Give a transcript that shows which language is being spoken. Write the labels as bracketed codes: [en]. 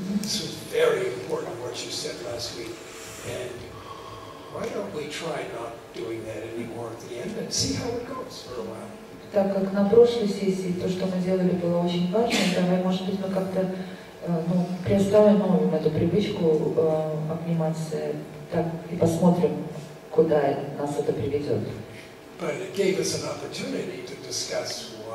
[en] This was very important what you said last week. And why don't we try not doing that anymore at the end and see how it goes for a while. [ru] Так как на прошлой сессии то, что мы делали, было очень важно, давай, может быть, мы как-то. Ну, приостановим эту привычку обниматься так и посмотрим, куда нас это приведет. [en] But it gave us an opportunity to discuss